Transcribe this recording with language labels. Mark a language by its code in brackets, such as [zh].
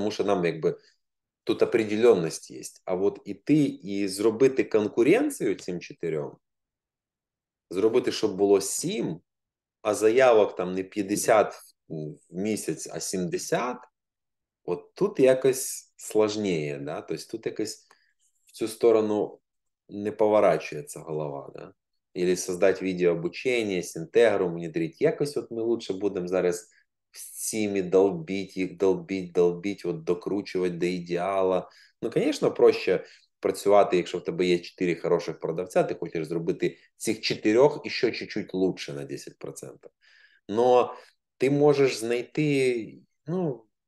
[uk] Тому що нам якби тут определенність є. А от іти і зробити конкуренцію цим чотирьом, зробити, щоб було 7, а заявок там не 50 в місяць, а 70, от тут якось складніше, да? Тобто тут якось в цю сторону не поворачується голова, да? [ru] Или создать видеообучение, синтегру внедрить. [uk] Якось от ми лучше будемо зараз всіми долбити їх, долбити, долбити, от докручувати до ідеала. Ну, звісно, проще працювати, якщо в тебе є 4 хороших продавця, ти хочеш зробити цих 4 і ще чуть-чуть лучше на 10%. Но ти можеш знайти, ну,